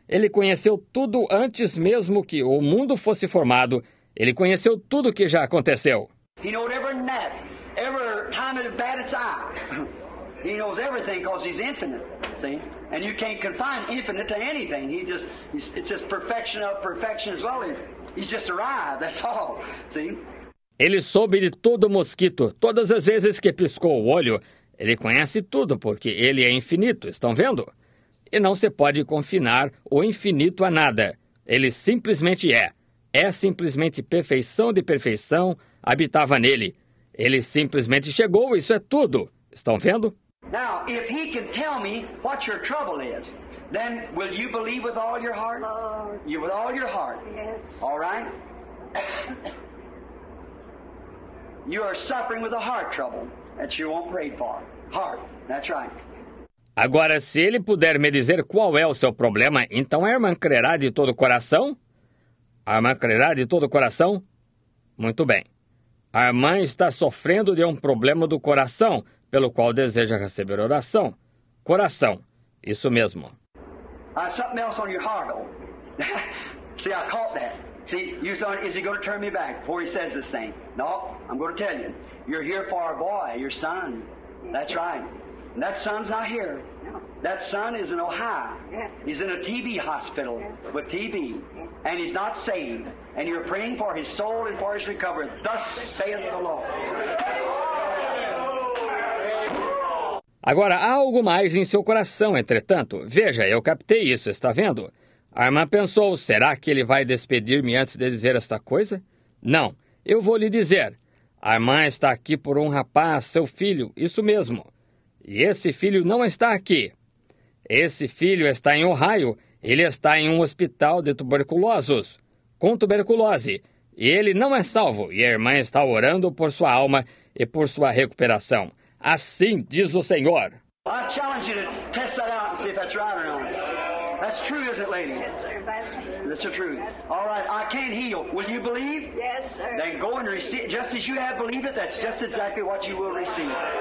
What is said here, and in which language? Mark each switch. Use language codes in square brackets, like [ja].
[pt] Ele conheceu tudo antes mesmo que o mundo fosse formado. Ele conheceu tudo o que já aconteceu. [en] He knows every gnat, every time it bat its eye. He knows everything because he's infinite. See? And you can't confine infinite to anything. It's just perfection of perfection as well. He's just arrived, that's all. See? Ele soube de todo mosquito, todas as vezes que piscou o olho. Ele conhece tudo porque ele é infinito. Estão vendo? E não se pode confinar o infinito a nada. Ele simplesmente é. É simplesmente perfeição de perfeição habitava nele. Ele simplesmente chegou, isso é tudo. Estão vendo? Now, if he can tell me what your trouble is, then will you believe with all your heart? Lord. You with all your heart. Yes. All right? You are suffering with a heart trouble that you won't pray for. Heart. That's right. [pt] Agora, se ele puder me dizer qual é o seu problema, então a irmã crerá de todo o coração? A irmã crerá de todo o coração? Muito bem. A irmã está sofrendo de um problema do coração, pelo qual deseja receber oração. Coração. Isso mesmo. [en] Something else on your heart, though. See, I caught that. See, you thought, is he going to turn me back before he says this thing? No, I'm going to tell you. You're here for our boy, your son. That's right. And that son's not here. That son is in Ohio. He's in a TB hospital with TB. And he's not saved. And you're praying for his soul and for his recovery. Thus saith the Lord. [pt] Agora, há algo mais em seu coração, entretanto. Veja, eu captei isso, está vendo? A irmã pensou, será que ele vai despedir-me antes de dizer esta coisa? Não, eu vou lhe dizer. A irmã está aqui por um rapaz, seu filho, isso mesmo. E esse filho não está aqui. Esse filho está em Ohio. Ele está em um hospital de tuberculosos, com tuberculose. E ele não é salvo. E a irmã está orando por sua alma e por sua recuperação. Assim diz o Senhor. [en] I challenge you to test that out and see if that's right or not. That's true, isn't it, lady? Yes, sir. That's the truth. All right, I can't heal. Will you believe? Yes, sir. Then go and receive. Just as you have believed it, that's just exactly what you will receive.